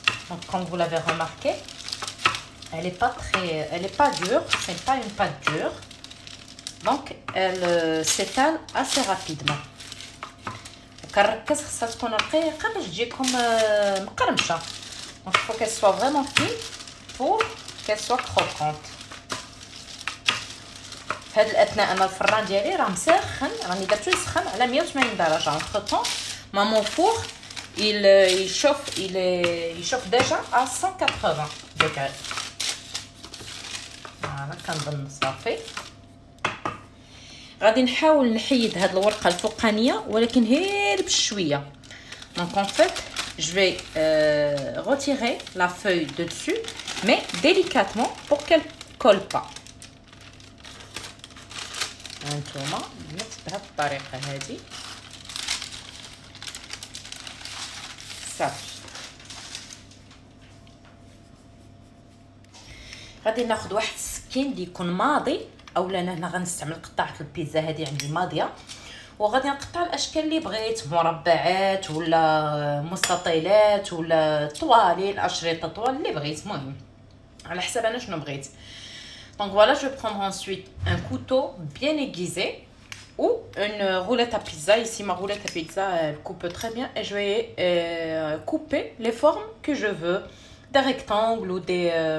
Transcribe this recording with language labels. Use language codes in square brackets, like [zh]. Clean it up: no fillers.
[fr] دونك كوم فو لافي رماركي elle est pas très elle est pas dure, c'est pas une pâte dure. Donc elle s'étale assez rapidement. [ar] كنركز خصها تكون رقيقه باش تجيكم مقرمشه. [fr] Donc faut qu'elle soit vraiment fine pour qu'elle soit croquante. [ar] هاد الاثناء انا الفران ديالي راه مسخن، راني درتو يسخن على 180 درجه. [fr] entre temps maman four il chauffe déjà à 180 degrés. [ar] انا كنظن صافي. غادي نحاول نحيد هاد الورقه الفوقانيه ولكن غير بشويه. [fr] دونك en fait je vais retirer la feuille de dessus mais délicatement pour qu'elle colle pas. [ar] هانتوما نفس بهاد الطريقة هادي صافي. غادي ناخد واحد السكين لي يكون ماضي، أولا هنا غنستعمل قطعة البيتزا هادي عندي ماضية، وغادي نقطع الأشكال لي بغيت، مربعات ولا مستطيلات ولا طوالين أشرطة طوال لي بغيت، مهم على حسب أنا شنو بغيت. [fr] Donc voilà, je vais prendre ensuite un couteau bien aiguisé ou une roulette à pizza. Ici, ma roulette à pizza, elle coupe très bien. Et je vais couper les formes que je veux, des rectangles ou des...